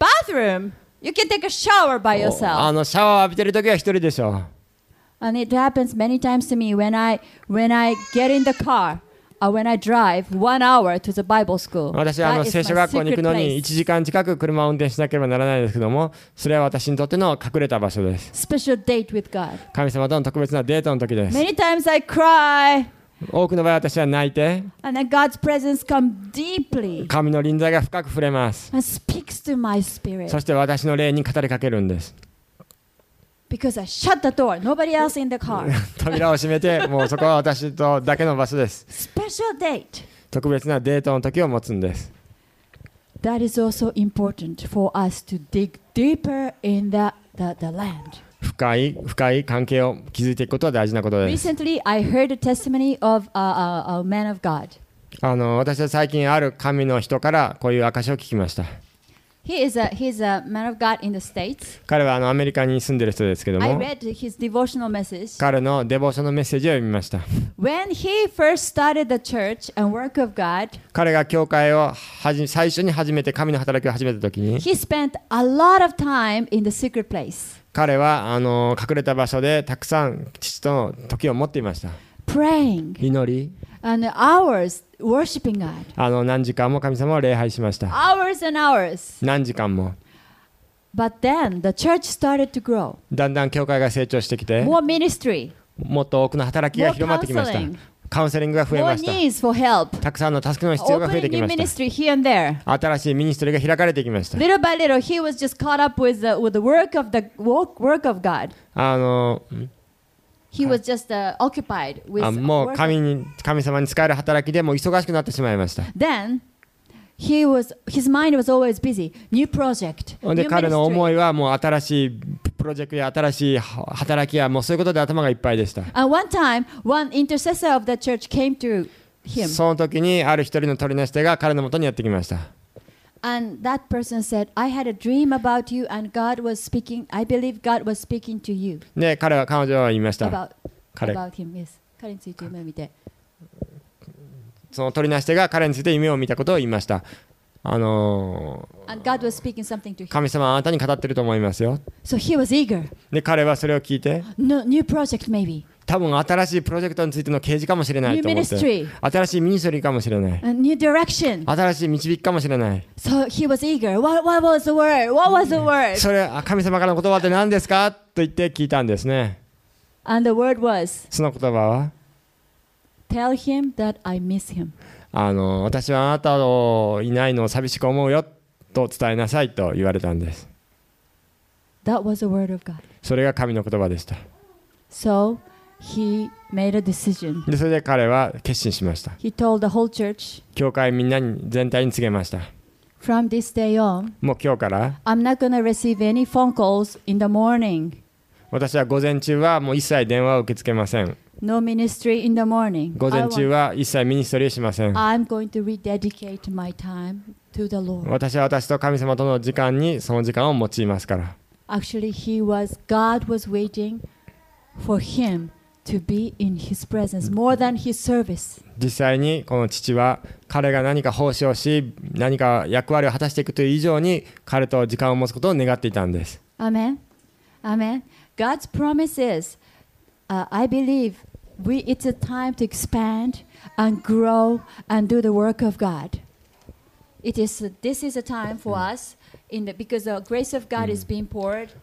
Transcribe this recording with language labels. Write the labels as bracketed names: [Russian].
[English] Bathroom, you can take a shower by yourself. [Japanese] シャワーを浴びてるときは一人でしょう。 [English] And it happens many times to me when I get in the car or when I drive 1 hour to the Bible school. [Japanese] 私は聖書学校に行くのに1時間近く車を運転しなければならないですけども、それは私にとっての隠れた場所です。 [English] Special date with God. [Japanese] 神様との特別なデートの時です。 [English] Many times I cry. [Japanese] 多くの場合私は泣いて。 [English] And then God's presence comes deeply. [Japanese] 神の臨在が深く触れます。 [English] And speaks to my spirit. [Japanese] そして私の霊に語りかけるんです。 [English] Because I shut the door. Nobody else in the car. [Japanese] 扉を閉めて、もうそこは私とだけの場所です。 [English] Special date. [Japanese] 特別なデートの時を持つんです。 [English] That is also important for us to dig deeper in the land. [Japanese] 深い関係を築いていくことは大事なことです。 [English] Recently, I heard a testimony of a man of God. [Japanese] 私は最近ある神の人からこういう証を聞きました。 [English] He's a man of God in the States. [Japanese] 彼はアメリカに住んでる人ですけども、 [English] I read his devotional message. [Japanese] 彼のデボーションのメッセージを読みました。 [English] When he first started the church and work of God, [Japanese] 彼が教会を最初に始めて神の働きを始めた時に、 [English] he spent a lot of time in the secret place. [Japanese] 彼は隠れた場所でたくさん父との時を持っていました。 [English] Praying. [Japanese] 祈り。 [English] And hours worshiping God. [Japanese] 何時間も神様を礼拝しました。 [English] Hours and hours. [Japanese] 何時間も。 [English] But then the church started to grow. [Japanese] だんだん教会が成長してきて、 [English] More ministry. [Japanese] もっと多くの働きが広まってきました。カウンセリングが増えました。 [English] More needs for help. [Japanese] たくさんの助けの必要が増えてきました。 [English] Opening new ministry here and there. [Japanese] 新しいミニストリーが開かれてきました。 [English] Little by little, he was just caught up with the, work of God. He was just occupied with work. [Japanese] もう神様に使える働きでもう忙しくなってしまいました。 [English] Then,His mind was always busy. New project. New ministry. で [Japanese] 彼の思いはもう新しいプロジェクトや新しい働きやもうそういうことで頭がいっぱいでした。 [English] And one time, one intercessor of the church came to him. [Japanese] その時にある一人の取りなし手が彼の元にやってきました。 [English] And that person said, I had a dream about you, and God was speaking. I believe God was speaking to you. [Japanese] で彼は彼女は言いました。 [English] About him, yes. [Japanese] 彼について夢を見て。その取りなし手が彼について夢を見たことを言いました。神様はあなたに語っていると思いますよ。 [English] So、he was eager. [Japanese] で彼はそれを聞いて、 [English] no, new project maybe. [Japanese] 多分新しいプロジェクトについての啓示かもしれないと思って、新しいミニストリーかもしれない、 [English] A、new direction. [Japanese] 新しい導きかもしれない。 [English] So、he was eager. What was the word? What was the word? [Japanese] それ神様からの言葉って何ですかと言って聞いたんですね。 [English] And the word was... [Japanese] その言葉は [English] Tell him that I miss him. [Japanese] 私はあなたをいないのを寂しく思うよと伝えなさいと言われたんです。 [English] That was the word of God. [Japanese] それが神の言葉でした。 [English] So he made a decision. [Japanese] でそれで彼は決心しました。 [English] He told the whole church. [Japanese] 教会みんなに全体に告げました。 [English] From this day on. [Japanese] もう今日から。 [English] I'm not going to receive any phone calls in the morning. [Japanese] 私は午前中はもう一切電話を受け付けません。 [English] No ministry in the morning. [Japanese] 午前中は一切ミニストリーしません。 [English] I'm going to rededicate my time to the Lord. [Japanese] 私は私と神様との時間にその時間を用いますから。 [English] Actually, he was, God was waiting for him to be in his presence more than his service. [Japanese] 実際にこの父は彼が何か奉仕をし、何か役割を果たしていくという以上に彼と時間を持つことを願っていたんです。 [English] Amen. Amen. God's promise is. I believe we, it's a time to expand and grow and do the work of God. It is, this is a time for us in the, because the grace of God is being poured.